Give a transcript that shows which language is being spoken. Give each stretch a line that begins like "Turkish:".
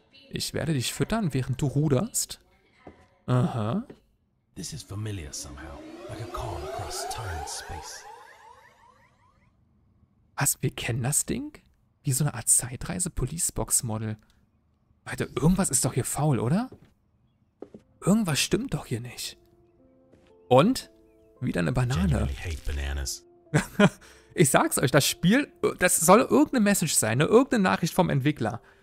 German: Ich werde dich füttern, während du ruderst. Aha.
English: This is familiar somehow. Like a call across time and space.
German: Was? Wir kennen das Ding? Wie so eine Art Zeitreise-Policebox-Model. Alter, irgendwas ist doch hier faul, oder? Irgendwas stimmt doch hier nicht. Und? Wieder eine Banane. Ich sag's euch, das Spiel, das soll irgendeine Message sein, ne? Irgendeine Nachricht vom Entwickler.